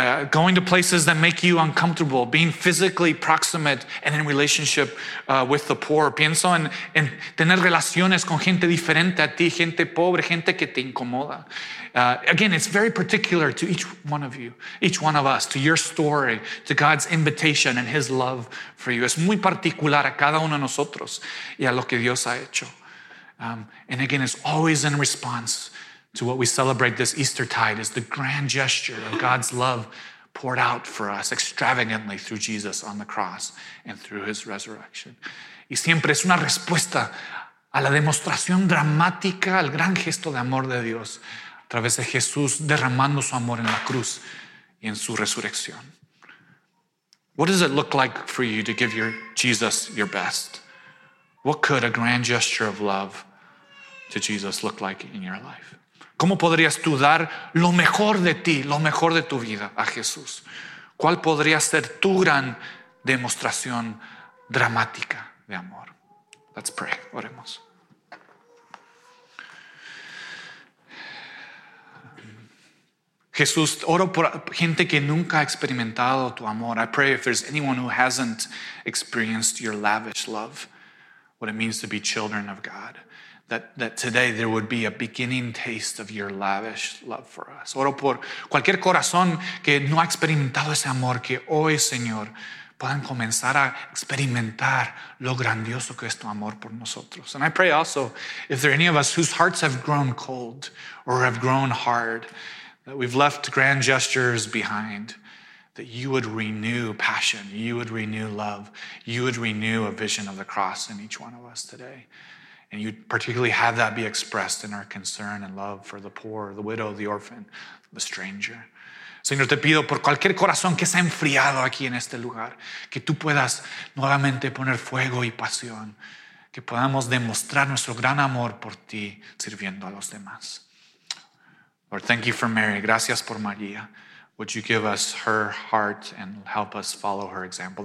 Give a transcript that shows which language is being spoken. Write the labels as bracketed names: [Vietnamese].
[English] Going to places that make you uncomfortable, being physically proximate and in relationship with the poor. [Spanish] Pienso en tener relaciones con gente diferente a ti, gente pobre, gente que te incomoda. [English] Again, it's very particular to each one of you, each one of us, to your story, to God's invitation and his love for you. [Spanish] Es muy particular a cada uno de nosotros y a lo que Dios ha hecho. [English] And again, it's always in response to what we celebrate this Eastertide is the grand gesture of God's love poured out for us extravagantly through Jesus on the cross and through his resurrection. [Spanish] Y siempre es una respuesta a la demostración dramática, al gran gesto de amor de Dios a través de Jesús derramando su amor en la cruz y en su resurrección. [English] What does it look like for you to give Jesus your best? What could a grand gesture of love to Jesus look like in your life? [Spanish] ¿Cómo podrías tú dar lo mejor de ti, lo mejor de tu vida a Jesús? ¿Cuál podría ser tu gran demostración dramática de amor? [English] Let's pray. [Spanish] Oremos. Jesús, oro por gente que nunca ha experimentado tu amor. [English] I pray if there's anyone who hasn't experienced your lavish love, what it means to be children of God, that today there would be a beginning taste of your lavish love for us. [Spanish] Oro por cualquier corazón que no ha experimentado ese amor, que hoy, Señor, puedan comenzar a experimentar lo grandioso que es tu amor por nosotros. [English] And I pray also, if there are any of us whose hearts have grown cold or have grown hard, that we've left grand gestures behind, that you would renew passion, you would renew love, you would renew a vision of the cross in each one of us today. And you'd particularly have that be expressed in our concern and love for the poor, the widow, the orphan, the stranger. [Spanish] Señor, te pido por cualquier corazón que se ha enfriado aquí en este lugar, que tú puedas nuevamente poner fuego y pasión, que podamos demostrar nuestro gran amor por ti sirviendo a los demás. [English] Lord, thank you for Mary. [Spanish] Gracias por María. [English] Would you give us her heart and help us follow her example?